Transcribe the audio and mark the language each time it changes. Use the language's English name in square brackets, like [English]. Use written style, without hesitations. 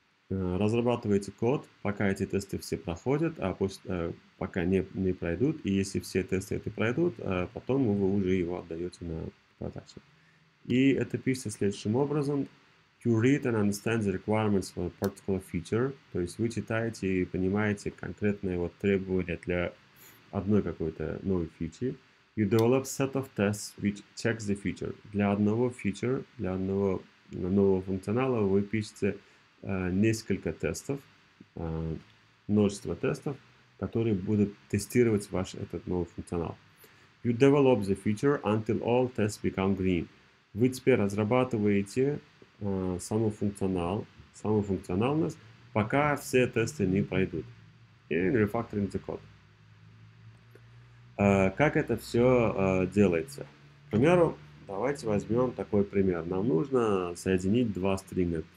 [Russian] Разрабатываете код, пока эти тесты все проходят, а пока не пройдут, и если все тесты это пройдут, потом вы уже его отдаете на продакшн. И это пишется следующим образом. [English] You read and understand the requirements for a particular feature. [Russian] То есть вы читаете и понимаете конкретные вот требования для одной какой-то новой фичи. [English] You develop set of tests which checks the feature. [Russian] Для одного фичера, для одного нового функционала вы пишете несколько тестов, множество тестов, которые будут тестировать ваш этот новый функционал. [English] You develop the feature until all tests become green. [Russian] Вы теперь разрабатываете саму функциональность, пока все тесты не пройдут. [English] And refactoring the code. [Russian] Как это все делается? К примеру, давайте возьмем такой пример. Нам нужно соединить два стринга.